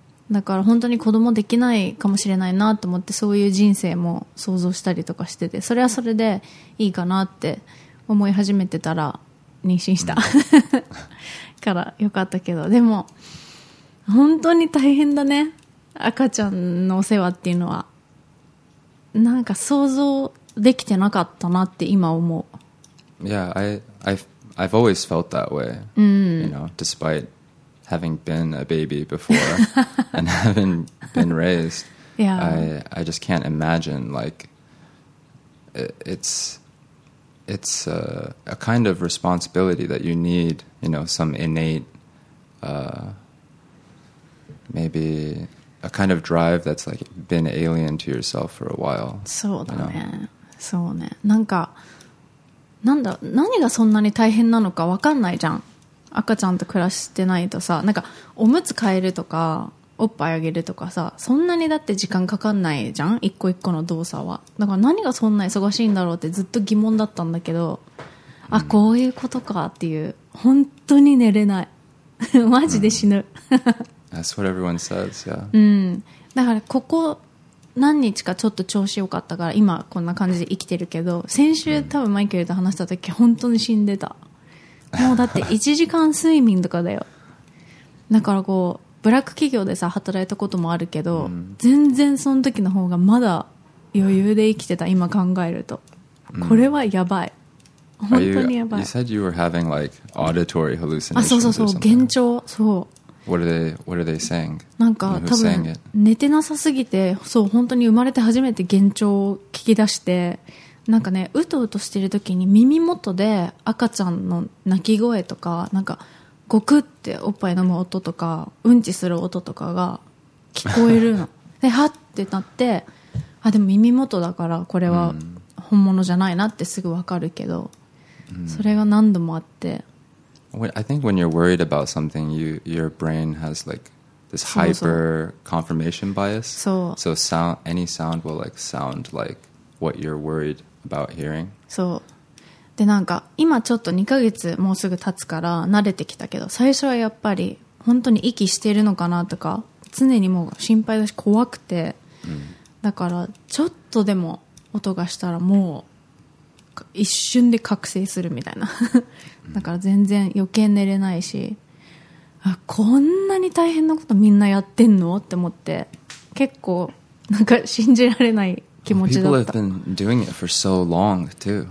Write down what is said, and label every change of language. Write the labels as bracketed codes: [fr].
[ja] だから本当に子供できないかもしれないなと思って、そういう人生も想像したりとかしてて、それはそれでいいかなって思い始めてたら妊娠した、mm-hmm. からよかったけど、でも本当に大変だね、赤ちゃんのお世話っていうのは。なんか想像できてなかったなって今思う。 [en] Yeah, I've always felt that way, you know, despite having been a baby before and having been raised. Yeah. I just can't imagine, like, it's a kind of responsibility that you need, you know, some innate, maybe a kind of drive that's, like, been alien to yourself for a while. [ja] そうだね。そうね。なんか、なんだ、何がそんなに大変なのか分かんないじゃん、赤ちゃんと暮らしてないとさ。なんかおむつ替えるとかおっぱいあげるとかさ、そんなにだって時間かかんないじゃん、一個一個の動作は。だから何がそんな忙しいんだろうってずっと疑問だったんだけど、あ、こういうことかっていう。本当に寝れない。マジで死ぬ。 [en] That's what everyone says, yeah. [ja] だからここ何日かちょっと調子良かったから今こんな感じで生きてるけど、先週多分マイケルと話した時本当に死んでた。もうだって1時間睡眠とかだよ。だからこうブラック企業でさ働いたこともあるけど、全然その時の方がまだ余裕で生きてた、今考えると。これはやばい、本当にやばい。 [en] You said you were having like auditory hallucinations. [ja] そうそうそう、幻聴。そう、 [en] What are they saying? [ja] なんか多分寝てなさすぎて、そう、本当に生まれて初めて幻聴を聞き出して、なんかね、うとうとしてる時に耳元で赤ちゃんの泣き声とか、なんかゴクっておっぱい飲む音とかうんちする音とかが聞こえるの。で、はってなって、あ、でも耳元だからこれは本物じゃないなってすぐ分かるけど、それが何度もあって。 [en] I think when you're worried about something, your brain has like this hyper confirmation bias. [ja] そう。 [en] So sound, any sound will like sound like what you're worried about hearing. [ja] そう。で、なんか今ちょっと2ヶ月もうすぐ経つから慣れてきたけど、最初はやっぱり本当に息してるのかなとか常にもう心配だし怖くて、だからちょっとでも音がしたらもう一瞬で覚醒するみたいな。だから全然余計寝れないし、こんなに大変なことみんなやってんのって思って、結構なんか信じられない気持ちだった。 [en] People have been doing it for so long too.